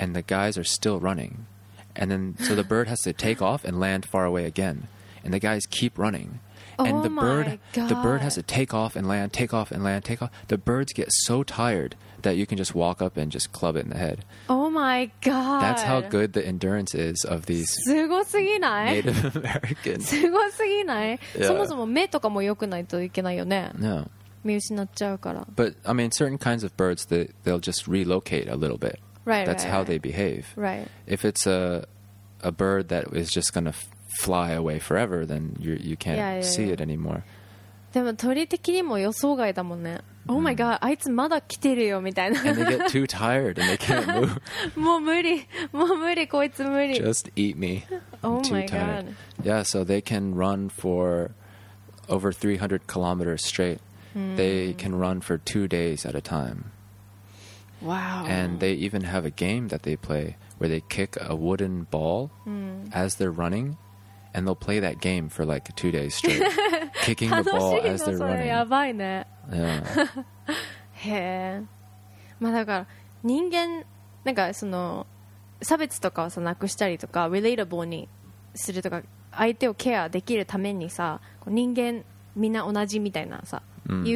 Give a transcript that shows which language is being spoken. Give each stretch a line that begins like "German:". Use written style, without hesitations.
English: And the guys are still running, and then so the bird has to take off and land far away again, and the guys keep running, And the bird has to take off and land, take off and land, take off. The birds get so tired that you can just walk up and just club it in the head. Oh my God. That's how good the endurance is of these Native Americans.
Japanese: すごすぎない? Yeah. そもそも目とかも良くないといけないよね。
English: No.
Japanese: 見失っちゃうから。
English: But, I mean, certain kinds of birds, they'll just relocate a little bit. Right, That's right, how they behave. Right. If it's a bird that is just going to fly away forever, then you can't yeah, yeah, yeah. see it anymore.
Japanese: でも鳥的にも予想外だもんね。 Mm.
English: Oh my god,
Japanese: あいつまだ来てるよみたいな。
English: And they get too tired and they can't move.
Japanese: もう無理。もう無理、こいつ無理。
English: Just eat me. Oh my god. Tired. Yeah, so they can run for over 300 kilometers straight. Mm. They can run for 2 days at a time. Wow. And they even have a game that they play where they kick a wooden ball as they're running. And they'll play that game for like 2 days straight. kicking the ball as they're running.
Japanese: 楽しいの、それやばいね。
English: Yeah.
Japanese: へえ。まあだから人間、なんかその差別とかをさなくしたりとか、relatable にするとか、相手をケアできるためにさ、人間みんな同じみたいなさ、mm.